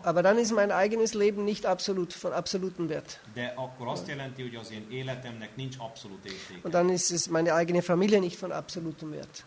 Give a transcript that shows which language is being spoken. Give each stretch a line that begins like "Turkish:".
German: Aber dann ist mein eigenes Leben nicht absolut von absolutem Wert.
Hungarian: De akkor azt jelenti, hogy az én életemnek nincs abszolút értéke.
German: Und dann ist es meine eigene Familie nicht von absolutem Wert.